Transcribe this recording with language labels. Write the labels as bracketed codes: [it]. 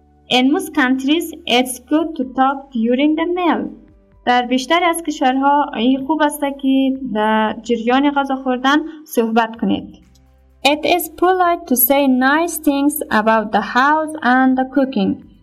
[en] In most countries it's good to talk during the meal. [fa] در بیشتر از کشورها این خوب است که در جریان غذا خوردن صحبت کنید. [en] It is polite to say nice things about the house and the cooking.